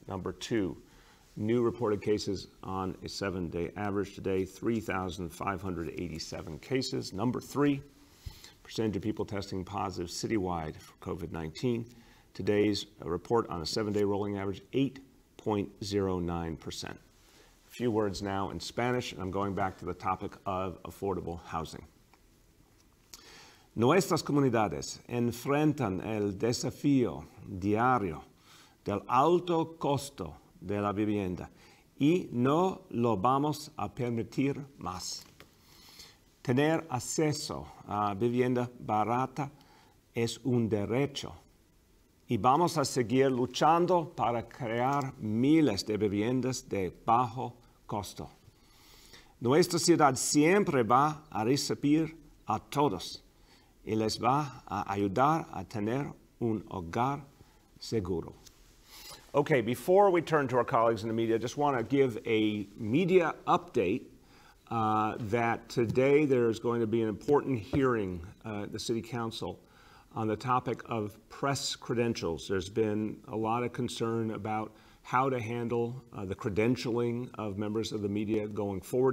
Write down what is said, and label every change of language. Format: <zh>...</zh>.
<en>Number two, new reported cases on a seven-day average today, 3,587 cases. Number three, percentage of people testing positive citywide for COVID-19. Today's report on a 7-day rolling average, 8.09%. A few words now in Spanish, and I'm going back to the topic of affordable housing.</en> <es>Nuestras comunidades enfrentan el desafío diario del alto costo de la vivienda y no lo vamos a permitir más. Tener acceso a vivienda barata es un derecho y vamos a seguir luchando para crear miles de viviendas de bajo costo. Nuestra ciudad siempre va a recibir a todos y les va a ayudar a tener un hogar seguro.</es> <en>Okay, before we turn to our colleagues in the media, I just want to give a media update that today there's going to be an important hearing at the City Council on the topic of press credentials. There's been a lot of concern about how to handle the credentialing of members of the media going forward.</en>